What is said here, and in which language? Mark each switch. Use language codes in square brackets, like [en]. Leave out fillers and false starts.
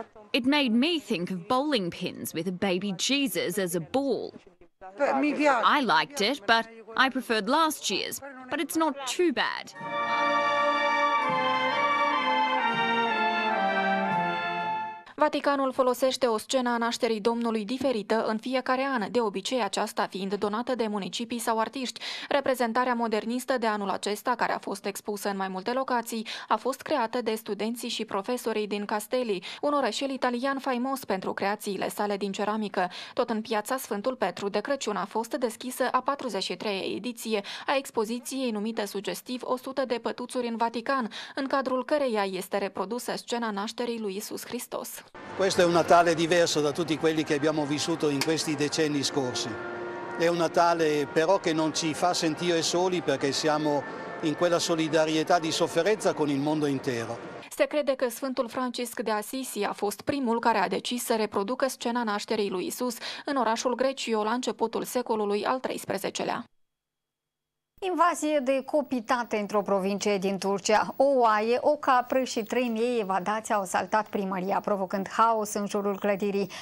[en] It made me think of bowling pins with a baby Jesus as a ball. I liked it, but I preferred last year's, but it's not too bad. [ro] Vaticanul folosește o scenă a nașterii Domnului diferită în fiecare an, de obicei aceasta fiind donată de municipii sau artiști. Reprezentarea modernistă de anul acesta, care a fost expusă în mai multe locații, a fost creată de studenții și profesorii din Castelli, un orășel italian faimos pentru creațiile sale din ceramică. Tot în piața Sfântul Petru de Crăciun a fost deschisă a 43-a ediție a expoziției numită sugestiv 100 de pătuțuri în Vatican, în cadrul căreia este reprodusă scena nașterii lui Iisus Hristos. [it] Questo è un Natale diverso da tutti quelli che abbiamo vissuto in questi decenni scorsi. È un Natale però che non ci fa sentire soli perché siamo in quella solidarietà di sofferenza con il mondo intero. [ro] Se crede că Sfântul Francisc de Assisi a fost primul care a decis să reproducă scena nașterii lui Isus în orașul Grecio la începutul secolului al XIII-lea. Invazie de copitate într-o provincie din Turcia. O oaie, o capră și 3 miei evadați au asaltat primăria, provocând haos în jurul clădirii.